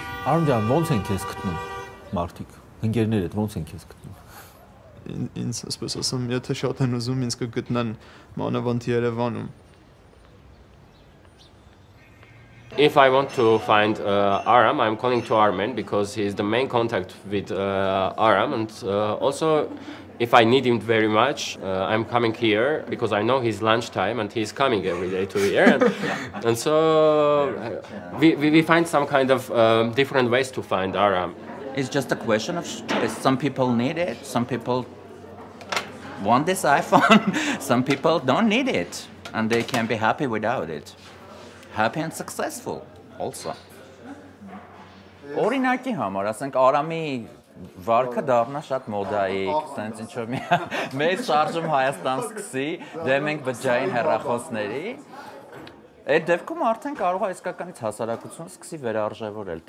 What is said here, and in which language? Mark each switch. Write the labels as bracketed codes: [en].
[hy] Արմ ջան, ո՞նց են քեզ գտնում մարդիկ, ընկերներդ ո՞նց են քեզ գտնում։ Ինձ, ասպես ասեմ, եթե շատ են ուզում, ինձ կգտնեն մանավանդ Երևանում։ [en] If I want to find Aram, I'm calling to Armen because he is the main contact with Aram, and also if I need him very much, I'm coming here because I know his lunchtime and he's coming every day to here. And so we find some kind of different ways to find Aram. It's just a question of some people need it, some people want this iPhone, some people don't need it, and they can be happy without it. Happy and successful, also. [hy] Օրինակի համար, ասենք Արամի վարկը դառնա շատ մոդայիկ, սենց ինչ-որ մի մեծ շարժում Հայաստան սկսի, դեմ ենք բջային հեռախոսների. Այդ դեպքում արդեն կարող է իսկականից հասարակություն սկսի վերարժևորել.